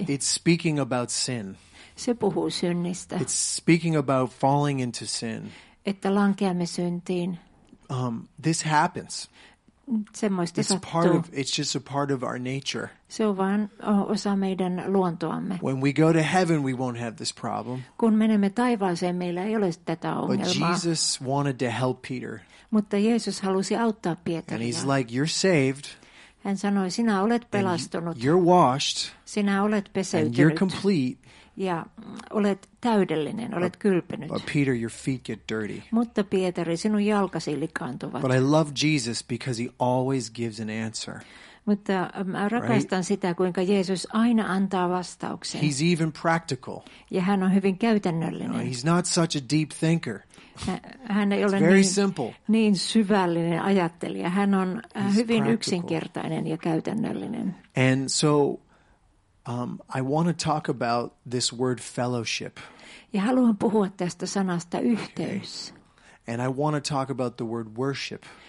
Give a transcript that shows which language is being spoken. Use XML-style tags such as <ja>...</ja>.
<en>And it's speaking about sin.</en> <fi>Se puhuu synnistä.</fi> <en>It's speaking about falling into sin.</en> <fi>Että lankeamme syntiin.</fi> <en>This happens.</en> <fi>Semmoista sattuu.</fi> <en>It's just a part of our nature.</en> <fi>Se on vain osa meidän luontoamme.</fi> <en>When we go to heaven, we won't have this problem.</en> <fi>Kun menemme taivaaseen, meillä ei ole tätä ongelmaa.</fi> <en>But Jesus wanted to help Peter.</en> <fi>Mutta Jeesus halusi auttaa Pietaria.</fi> <en>And he's like, you're saved.</en> <fi>Hän sanoi, sinä olet pelastunut.</fi> <en>And you're washed.</en> <fi>Sinä olet pesäytynyt.</fi> <en>And you're complete.</en> <fi>Ja olet täydellinen, olet kylpenyt.</fi> <en>But Peter, your feet get dirty.</en> <fi>Mutta Pietari, sinun jalkasi likaantuvat.</fi> <en>But I love Jesus because he always gives an answer.</en> <fi>Mutta mä rakastan sitä, kuinka Jeesus aina antaa vastauksen.</fi> <en>He's even practical.</en> <fi>Ja hän on hyvin käytännöllinen.</fi> <en>No, he's not such a deep thinker.</en> <fi>Hän ei ole niin syvällinen ajattelija. Hän on hyvin yksinkertainen ja käytännöllinen.</fi> <en>And so I want to talk about this word fellowship.</en> <fi>Ja haluan puhua tästä sanasta yhteys.</fi> <en>Okay. And I want to talk about the word worship.</en>